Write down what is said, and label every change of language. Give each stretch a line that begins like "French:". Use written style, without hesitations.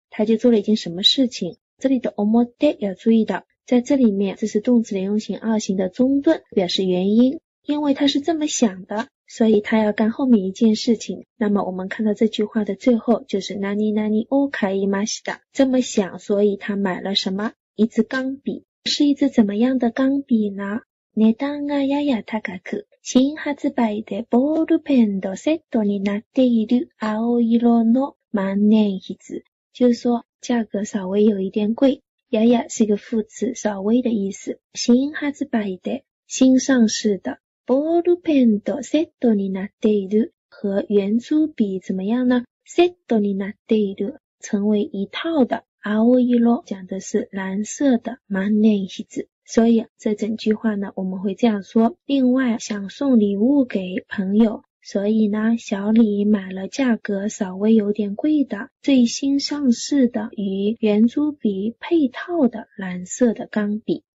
Chinese: 他就做了一件什么事情？这里的
Japanese: 思って
Chinese: 要注意的，在这里面这是动词连用型二型的中顿，表示原因。因为他是这么想的，所以他要干后面一件事情。那么我们看到这句话的最后就是
Japanese: 何々を買いました，
Chinese: 这么想，所以他买了什么？一支钢笔。是一支怎么样的钢笔呢？
Japanese: 値段がやや高く、新発売でボールペンとセットになっている青色の万年筆。
Chinese: 就是说价格稍微有一点贵，
Japanese: やや
Chinese: 是一个副词，稍微的意思。
Japanese: 新発売で，
Chinese: 新上市的，
Japanese: ボールペンとセットになっている
Chinese: 和原珠笔怎么样呢？
Japanese: セットになっている，
Chinese: 成为一套的。青色讲的是蓝色的，万年筆。所以这整句话呢，我们会这样说。另外，想送礼物给朋友，所以呢，小李买了价格稍微有点贵的最新上市的与圆珠笔配套的蓝色的钢笔。